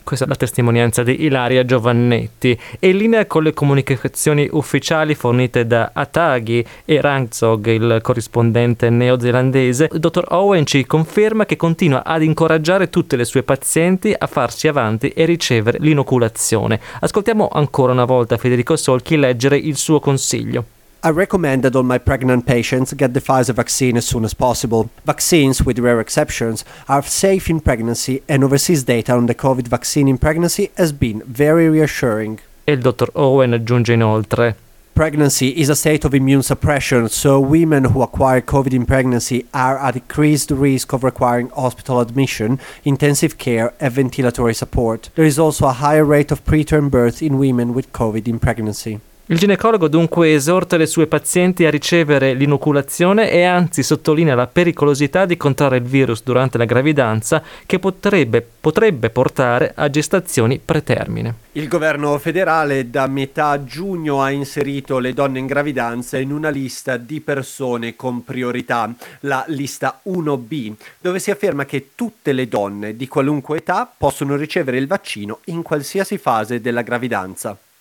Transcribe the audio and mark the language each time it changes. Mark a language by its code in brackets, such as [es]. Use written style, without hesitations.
[it] Questa è la testimonianza di Ilaria Giovannetti. E in linea con le comunicazioni ufficiali fornite da ATAGI e Rangzog, il corrispondente neozelandese, il dottor Owen ci conferma che continua ad incoraggiare tutte le sue pazienti a farsi avanti e ricevere l'inoculazione. Ascoltiamo ancora una volta Federico Solchi leggere il suo consiglio. [en] I recommend that all my pregnant patients get the Pfizer vaccine as soon as possible. Vaccines, with rare exceptions, are safe in pregnancy and overseas data on the COVID vaccine in pregnancy has been very reassuring. [it] E il dottor Owen aggiunge inoltre. [en] Pregnancy is a state of immune suppression, so women who acquire COVID in pregnancy are at increased risk of requiring hospital admission, intensive care and ventilatory support. There is also a higher rate of preterm birth in women with COVID in pregnancy. [it] Il ginecologo dunque esorta le sue pazienti a ricevere l'inoculazione e anzi sottolinea la pericolosità di contrarre il virus durante la gravidanza che potrebbe portare a gestazioni pretermine. Il governo federale da metà giugno ha inserito le donne in gravidanza in una lista di persone con priorità, la lista 1B, dove si afferma che tutte le donne di qualunque età possono ricevere il vaccino in qualsiasi fase della gravidanza.